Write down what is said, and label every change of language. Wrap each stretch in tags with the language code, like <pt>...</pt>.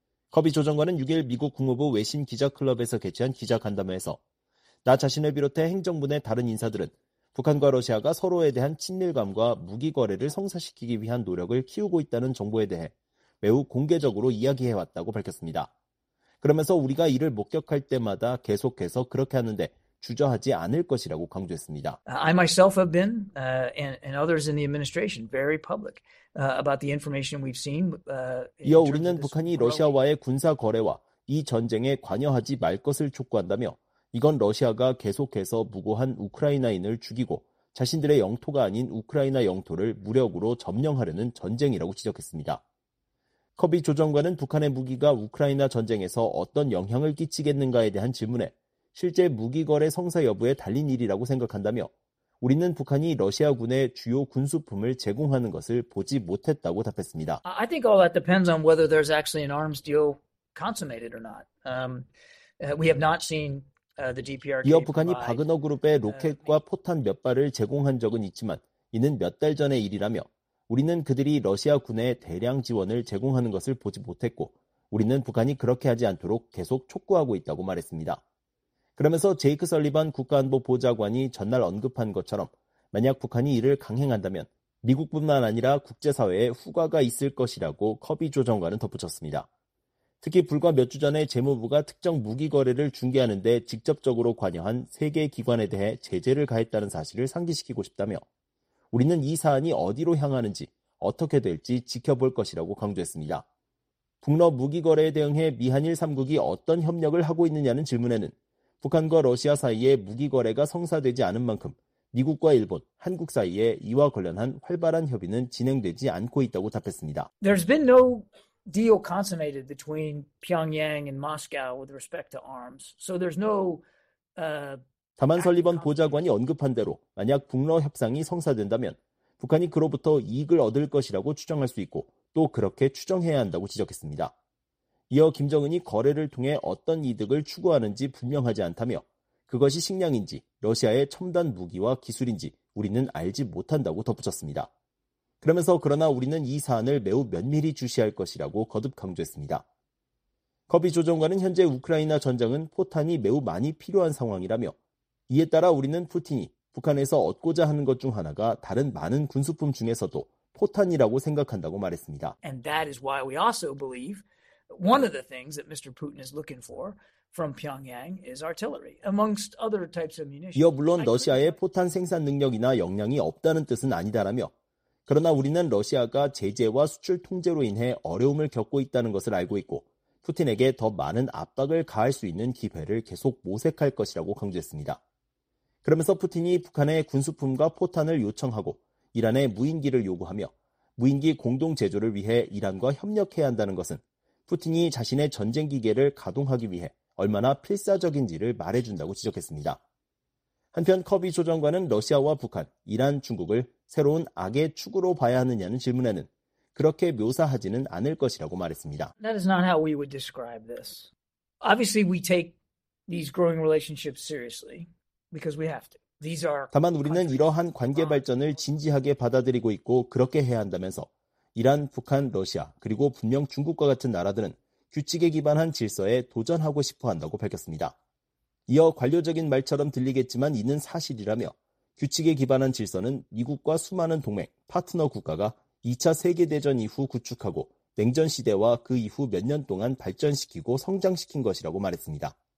<ko>커비 조정관은 6일 미국 국무부 외신 기자클럽에서 개최한 기자간담회에서 나 자신을 비롯해 행정부 내 다른 인사들은 북한과 러시아가 서로에 대한 친밀감과 무기 거래를 성사시키기 위한 노력을 키우고 있다는 정보에 대해 매우 공개적으로 이야기해왔다고 밝혔습니다. 그러면서 우리가 이를 목격할 때마다 계속해서 그렇게 하는데 주저하지 않을 것이라고 강조했습니다.</ko> <en>I myself have been and others in the administration very public about the information we've seen.</en> <ko>이어 우리는 북한이 러시아와의 군사 거래와 이 전쟁에 관여하지 말 것을 촉구한다며 이건 러시아가 계속해서 무고한 우크라이나인을 죽이고 자신들의 영토가 아닌 우크라이나 영토를 무력으로 점령하려는 전쟁이라고 지적했습니다. 커비 조정관은 북한의 무기가 우크라이나 전쟁에서 어떤 영향을 끼치겠는가에 대한 질문에 실제 무기 거래 성사 여부에 달린 일이라고 생각한다며 우리는 북한이 러시아군의 주요 군수품을 제공하는 것을 보지 못했다고 답했습니다.</ko> <en>I think all that depends on whether there's actually an arms deal consummated or not. We have not seen the DPRK.</en> <ko>이어 북한이 바그너 그룹에 로켓과 포탄 몇 발을 제공한 적은 있지만 이는 몇 달 전의 일이라며 우리는 그들이 러시아군에 대량 지원을 제공하는 것을 보지 못했고 우리는 북한이 그렇게 하지 않도록 계속 촉구하고 있다고 말했습니다. 그러면서 제이크 설리반 국가안보 보좌관이 전날 언급한 것처럼 만약 북한이 이를 강행한다면 미국뿐만 아니라 국제사회에 후과가 있을 것이라고 커비 조정관은 덧붙였습니다. 특히 불과 몇 주 전에 재무부가 특정 무기 거래를 중개하는 데 직접적으로 관여한 3개 기관에 대해 제재를 가했다는 사실을 상기시키고 싶다며 우리는 이 사안이 어디로 향하는지 어떻게 될지 지켜볼 것이라고 강조했습니다. 북러 무기 거래에 대응해 미한일 3국이 어떤 협력을 하고 있느냐는 질문에는 북한과 러시아 사이에 무기 거래가 성사되지 않은 만큼 미국과 일본, 한국 사이에 이와 관련한 활발한 협의는 진행되지 않고 있다고 답했습니다.</ko> <en>There's been no deal consummated between Pyongyang and Moscow with respect to arms. So there's no</en> <ko>다만 설리번 보좌관이 언급한 대로 만약 북러 협상이 성사된다면 북한이 그로부터 이익을 얻을 것이라고 추정할 수 있고 또 그렇게 추정해야 한다고 지적했습니다. 이어 김정은이 거래를 통해 어떤 이득을 추구하는지 분명하지 않다며 그것이 식량인지 러시아의 첨단 무기와 기술인지 우리는 알지 못한다고 덧붙였습니다. 그러면서 그러나 우리는 이 사안을 매우 면밀히 주시할 것이라고 거듭 강조했습니다. 커비 조정관은 현재 우크라이나 전장은 포탄이 매우 많이 필요한 상황이라며 이에 따라 우리는 푸틴이 북한에서 얻고자 하는 것 중 하나가 다른 많은 군수품 중에서도 포탄이라고 생각한다고 말했습니다.</ko> <en>And that is why we also believe one of the things that Mr. Putin is looking for from Pyongyang is artillery, amongst other types of munitions.</en> <ko>이어 물론 러시아의 포탄 생산 능력이나 역량이 없다는 뜻은 아니다라며 그러나 우리는 러시아가 제재와 수출 통제로 인해 어려움을 겪고 있다는 것을 알고 있고 푸틴에게 더 많은 압박을 가할 수 있는 기회를 계속 모색할 것이라고 강조했습니다. 그러면서 푸틴이 북한의 군수품과 포탄을 요청하고 이란의 무인기를 요구하며 무인기 공동 제조를 위해 이란과 협력해야 한다는 것은 푸틴이 자신의 전쟁 기계를 가동하기 위해 얼마나 필사적인지를 말해준다고 지적했습니다. 한편 커비 조정관은 러시아와 북한, 이란, 중국을 새로운 악의 축으로 봐야 하느냐는 질문에는 그렇게 묘사하지는 않을 것이라고 말했습니다.</ko> <en>That is not how we would describe this. Obviously, we take these growing relationships seriously because we have to. These are</en> <ko>다만 우리는 이러한 관계 발전을 진지하게 받아들이고 있고 그렇게 해야 한다면서 이란, 북한, 러시아 그리고 분명 중국과 같은 나라들은 규칙에 기반한 질서에 도전하고 싶어 한다고 밝혔습니다. 이어 관료적인 말처럼 들리겠지만 이는 사실이라며 규칙에 기반한 질서는 미국과 수많은 동맹, 파트너 국가가 2차 세계대전 이후 구축하고 냉전 시대와 그 이후 몇 년 동안 발전시키고 성장시킨 것이라고 말했습니다.</ko>